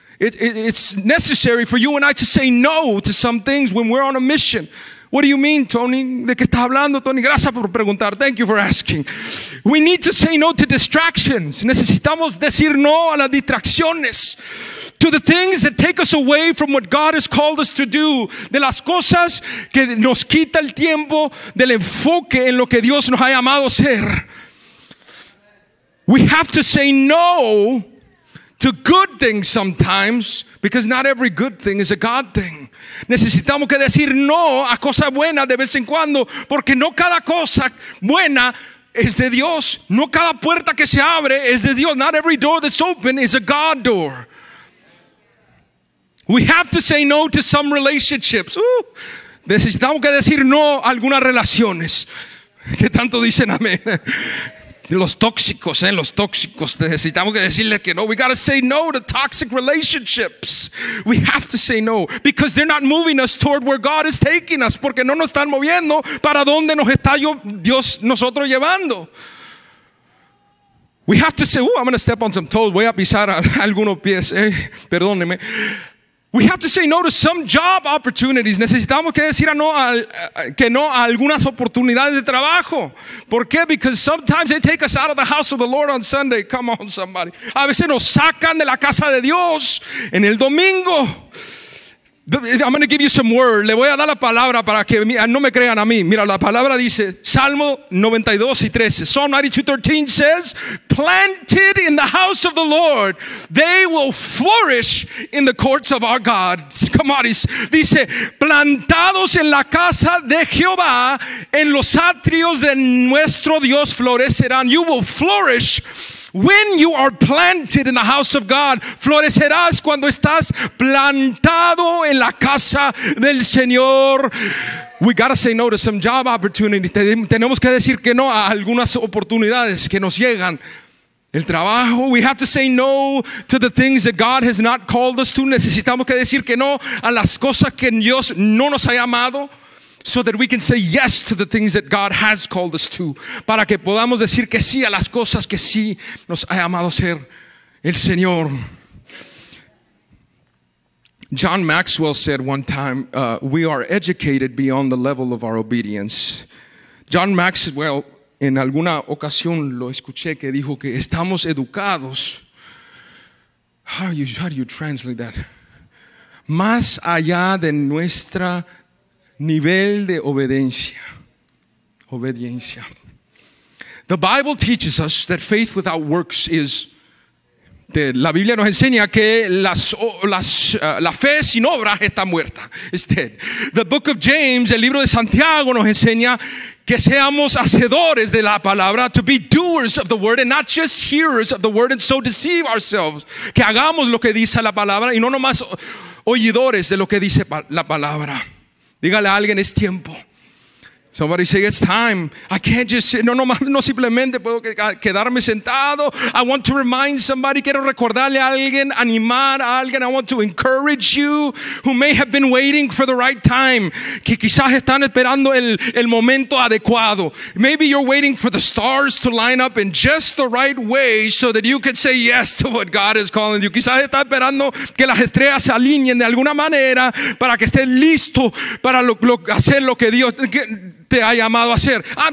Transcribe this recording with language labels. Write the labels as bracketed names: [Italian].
[English] It's necessary for you and I to say no to some things when we're on a mission. What do you mean, Tony? [Spanish] ¿De qué estás hablando, Tony? Gracias por preguntar. [English] Thank you for asking. We need to say no to distractions. [Spanish] Necesitamos decir no a las distracciones. [English] To the things that take us away from what God has called us to do. [Spanish] De las cosas que nos quita el tiempo del enfoque en lo que Dios nos ha llamado a ser. [English] We have to say no to good things sometimes, because not every good thing is a God thing. [Spanish] Necesitamos que decir no a cosas buenas de vez en cuando, porque no cada cosa buena es de Dios. No cada puerta que se abre es de Dios. [English] Not every door that's open is a God door. We have to say no to some relationships. [Spanish] Necesitamos que decir no a algunas relaciones. ¿Qué tanto dicen amén? Los tóxicos, necesitamos que decirle que no. [English] We gotta say no to toxic relationships. We have to say no because they're not moving us toward where God is taking us. [Spanish] Porque no nos están moviendo para donde nos está Dios nosotros llevando. [English] We have to say, I'm gonna step on some toes. [Spanish] Voy a pisar algunos pies. Perdóneme. [English] We have to say no to some job opportunities. [Spanish] Necesitamos que decir no a algunas oportunidades de trabajo. ¿Por qué? [English] Because sometimes they take us out of the house of the Lord on Sunday. Come on, somebody. [Spanish] A veces nos sacan de la casa de Dios en el domingo. [English] I'm going to give you some word. [Spanish] Le voy a dar la palabra para que no me crean a mí. Mira, la palabra dice, Salmo 92 y 13. [English] Psalm 92:13 says, planted in the house of the Lord, they will flourish in the courts of our God. [Spanish] Come on, dice, plantados en la casa de Jehová, en los atrios de nuestro Dios florecerán. [English] You will flourish. When you are planted in the house of God, [Spanish] florecerás cuando estás plantado en la casa del Señor. [English] We gotta say no to some job opportunities. [Spanish] Tenemos que decir que no a algunas oportunidades que nos llegan. El trabajo. [English] We have to say no to the things that God has not called us to. [Spanish] Necesitamos que decir que no a las cosas que Dios no nos ha llamado. [English] So that we can say yes to the things that God has called us to. [Spanish] Para que podamos decir que sí a las cosas que sí nos ha llamado a ser el Señor. [English] John Maxwell said one time, we are educated beyond the level of our obedience. [Spanish] John Maxwell, en alguna ocasión lo escuché que dijo que estamos educados. [English] How do you translate that? [Spanish] Más allá de nuestra nivel de obediencia. [English] The Bible teaches us that faith without works is dead. [Spanish] La Biblia nos enseña que la fe sin obras está muerta. [English] It's dead. The book of James, [Spanish] el libro de Santiago, nos enseña que seamos hacedores de la palabra, [English] to be doers of the word and not just hearers of the word, and so deceive ourselves. [Spanish] Que hagamos lo que dice la palabra y no nomás oidores de lo que dice la palabra. Dígale a alguien, es tiempo. [English] Somebody say, it's time. I can't just sit. [Spanish] No, no, no, simplemente puedo quedarme sentado. [English] I want to remind somebody. [Spanish] Quiero recordarle a alguien, animar a alguien. [English] I want to encourage you who may have been waiting for the right time. [Spanish] Que quizás están esperando el momento adecuado. [English] Maybe you're waiting for the stars to line up in just the right way so that you can say yes to what God is calling you. [Spanish] Quizás está esperando que las estrellas se alineen de alguna manera para que estés listo para hacer lo que Dios te ha llamado a hacer.